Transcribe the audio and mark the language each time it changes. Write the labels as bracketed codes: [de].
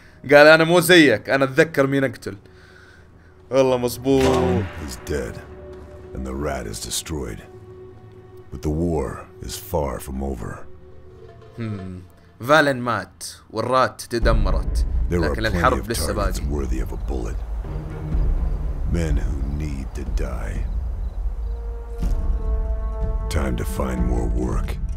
[ar] قال أنا مو زيك، أنا أتذكر مين أقتل. والله مصبوط. [en] He's dead, and the rat is destroyed. But the war is far from over. [ar] فالن مات والرات تدمرت، لكن الحرب لسه باقي. [en] There are worthy of a bullet. Men who need to die. Time to find more work.